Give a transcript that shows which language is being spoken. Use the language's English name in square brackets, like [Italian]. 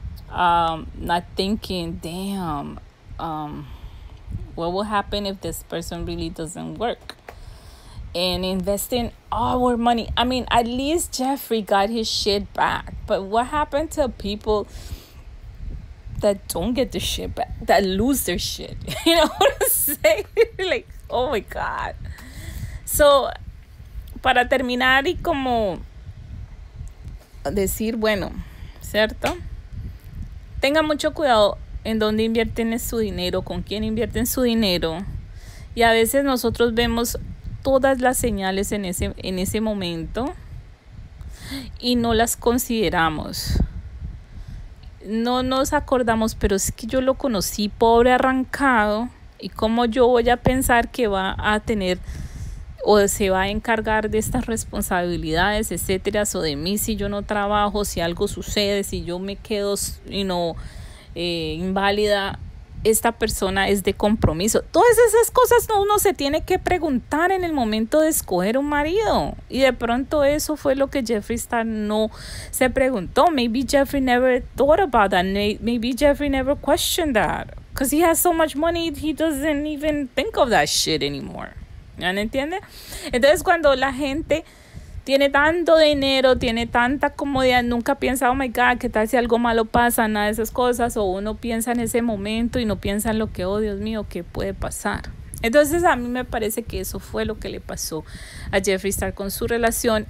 [English] Not thinking, damn, what will happen if this person really doesn't work? And investing our money. I mean, at least Jeffrey got his shit back. But what happened to people that don't get the shit back, that lose their shit? You know what I'm saying? Like, oh my God. [Spanish] So, para terminar y como decir, bueno, ¿cierto? Tengan mucho cuidado en dónde invierten su dinero, con quién invierten su dinero. Y a veces nosotros vemos todas las señales en ese momento y no las consideramos. No nos acordamos, pero es que yo lo conocí pobre arrancado. ¿Y cómo yo voy a pensar que va a tener o se va a encargar de estas responsabilidades, etcétera, o de mí si yo no trabajo, si algo sucede, si yo me quedo, [English] you know, [Spanish] inválida? Esta persona es de compromiso. Todas esas cosas uno se tiene que preguntar en el momento de escoger un marido. Y de pronto eso fue lo que Jeffrey Star no se preguntó. [English] Maybe Jeffrey never thought about that. Maybe Jeffrey never questioned that. Because he has so much money, he doesn't even think of that shit anymore. [Spanish] ¿Ya no entiende? Entonces cuando la gente tiene tanto dinero, tiene tanta comodidad, nunca piensa, [English] oh my God, [Spanish] ¿qué tal si algo malo pasa? Nada de esas cosas. O uno piensa en ese momento y no piensa en lo que, oh Dios mío, ¿qué puede pasar? Entonces a mí me parece que eso fue lo que le pasó a Jeffree Star con su relación.